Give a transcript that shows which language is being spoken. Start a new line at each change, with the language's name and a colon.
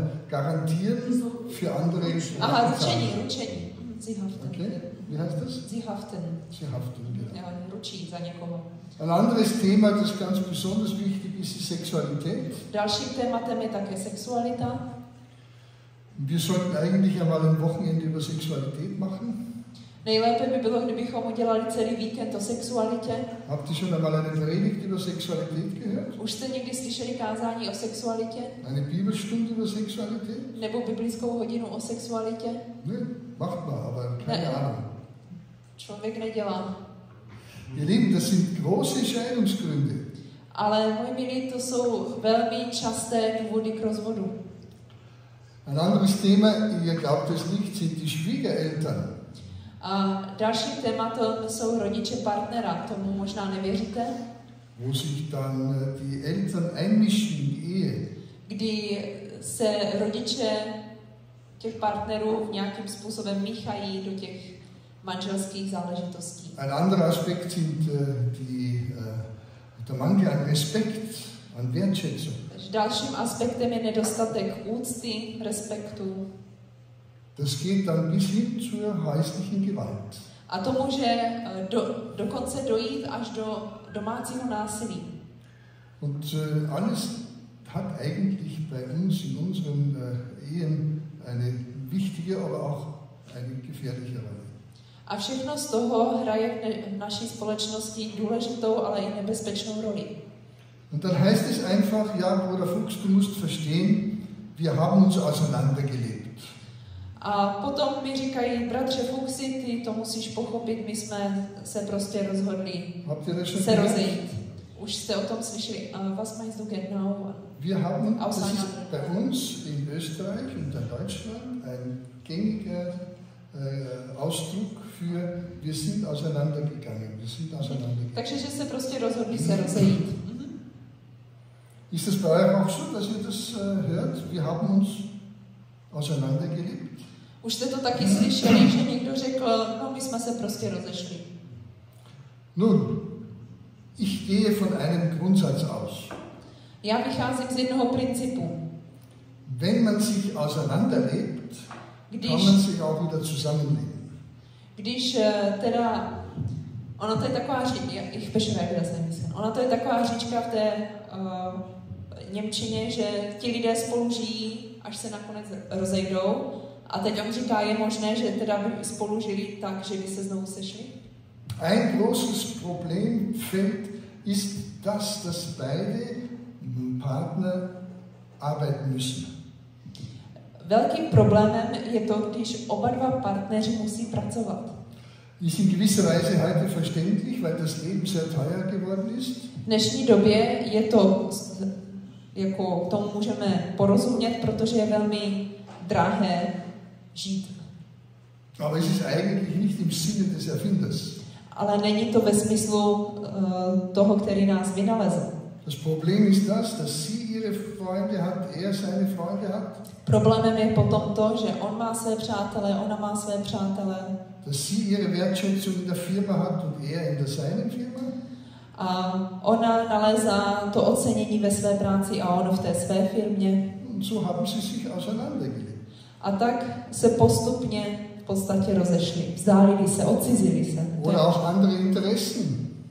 German: Garantieren für andere. Aha,
Czech: ručení, ručení.
German: Sie haften. Okay, wie heißt das? Sie haften. Sie haften, genau.
Czech: Ja, ručí za někoho.
German: Ein anderes Thema, das ganz besonders wichtig ist, ist Sexualität.
Czech: Dalším tématem je také sexualita.
German: Wir sollten eigentlich einmal ein Wochenende über Sexualität machen.
Czech: Nejlépe by bylo, kdybychom udělali celý víkend o sexualitě.
German: Habt ihr schon einmal eine Predigt über Sexualität gehört?
Czech: Už jste někdy slyšeli kázání o sexualitě?
German: Eine Bibelstunde über Sexualität?
Czech: Nebo biblickou hodinu o sexualitě?
German: Ne, macht mal, aber keine Ahnung.
Czech: Člověk nedělá.
German: Ihr Lieben, das sind große Scheidungsgründe.
Czech: Ale moji milí, to jsou velmi časté důvody k rozvodu.
German: Ein anderes Thema, ihr glaubt es nicht, sind die Schwiegereltern.
Czech: A další téma to jsou rodiče partnera, tomu možná nevěříte.
German: Wo sich dann die Eltern einmischen in die Ehe.
Czech: Kdy se rodiče těch partnerů nějakým způsobem míchají do těch manželských záležitostí.
German: Ein anderer Aspekt sind der Mangel an Respekt, an Wertschätzung.
Czech: Dalším aspektem je nedostatek úcty, respektu.
German: Das geht dann bis hin zur häuslichen Gewalt.
Czech: A to může dokonce dojít až do domácího násilí.
German: Und alles hat eigentlich bei uns in unseren Ehen eine wichtige, aber auch eine gefährliche Rolle.
Czech: A všechno z toho hraje v naší společnosti důležitou, ale i nebezpečnou roli.
German: Und dann heißt es einfach, ja, Bruder Fuchs, du musst verstehen, wir haben uns auseinandergelebt.
Czech: A potom mi říkají, bratře Fuchsi, ty to musíš pochopit, my jsme se prostě rozhodli se rozejít. Už jste o tom slyšeli,
German: was meinst du genau? Wir haben, das ist bei uns in Österreich und in Deutschland ein gängiger Ausdruck für wir sind auseinandergegangen. Wir sind auseinandergegangen.
Czech: Takže že se prostě rozhodli se rozejít.
German: Ist das bei euch auch so, dass ihr das hört? Wir haben uns auseinandergelebt.
Czech: Už jste to taky slyšeli, že někdo řekl, no my jsme se prostě rozešli.
German: Nun, ich gehe von einem Grundsatz aus.
Czech: Já vycházím z jednoho principu.
German: Wenn man sich auseinanderlebt,
Czech: když,
German: kann man sich auch wieder zusammenleben.
Czech: Když teda, ona to je taková říčka,
German: ich beschreibe das ein bisschen.
Czech: Ona to je taková říčka v té němčině, že ti lidé spolu žijí, až se nakonec rozejdou. A teď on říká, je možné, že teda by spolu žili tak, že by se znovu sešli?
German: Ein großes Problemfeld ist das, dass beide Partner arbeiten müssen.
Czech: Velkým problémem je to, když oba dva partneři musí pracovat.
German: Ist in gewisser Weise heute verständlich, weil das Leben sehr teuer geworden ist.
Czech: V dnešní době je to, jako tomu můžeme porozumět, protože je velmi drahé žít.
German: Aber es ist eigentlich nicht im Sinne des Erfinders.
Czech: Ale není to ve smyslu toho, který nás vynalezl.
German: Das Problem ist das, dass sie ihre Freunde hat, er seine Freunde hat.
Czech: Problémem je potom to, že on má své přátele, ona má své přátele.
German: Dass sie ihre Wertschätzung in der Firma hat und er in der seinen Firma.
Czech: A ona nalézá to ocenění ve své práci a on v té své firmě.
German: Und so haben sie sich auseinandergelebt.
Czech: A tak se postupně v podstatě rozešli. Vzdálili se, odcizili se.
German: Oder auch andere Interessen.